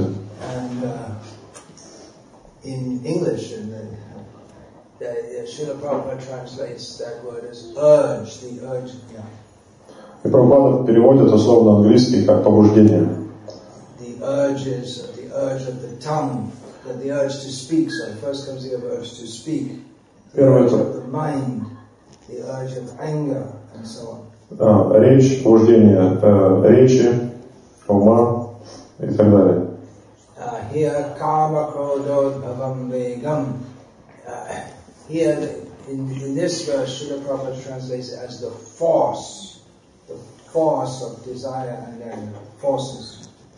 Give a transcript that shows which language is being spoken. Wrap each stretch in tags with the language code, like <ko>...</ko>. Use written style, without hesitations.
<en>And in English, in the Srila Prabhupada translates that word as urge, the urge.</en> <ru>И Прабхупада переводит это слово на английский как побуждение.</ru> <en>The urges. Urge of the tongue, that the urge to speak. So first comes the urge to speak. The urge of the mind, the urge of anger, and so on.</en> <ru>Речь, побуждение, речи, ума и так далее.</ru> <sa>Here, kama krodho bhavam vegam.</sa> <en>Here, in this verse, Srila Prabhupada translates it as the force of desire and anger, forces.</en>